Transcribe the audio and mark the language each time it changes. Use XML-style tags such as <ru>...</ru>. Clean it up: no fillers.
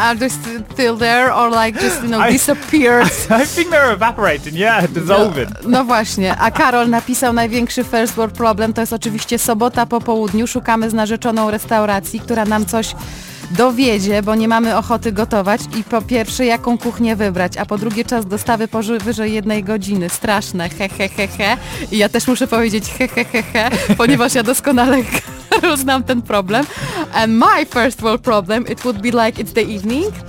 <en>Are they still there or like just, you know, disappeared? I think they're evaporating, yeah, dissolving.</en> <pl>No właśnie, a Karol napisał: największy</pl> <en>first world problem</en> <pl>to jest oczywiście sobota po południu. Szukamy z narzeczoną restauracji, która nam coś dowiedzie, bo nie mamy ochoty gotować i po pierwsze jaką kuchnię wybrać, a po drugie czas dostawy powyżej 1 godziny. Straszne, he he he he. I ja też muszę powiedzieć he he he he, ponieważ ja doskonale znam ten problem.</pl> <en>And my first world problem, it would be like it's the evening,</en>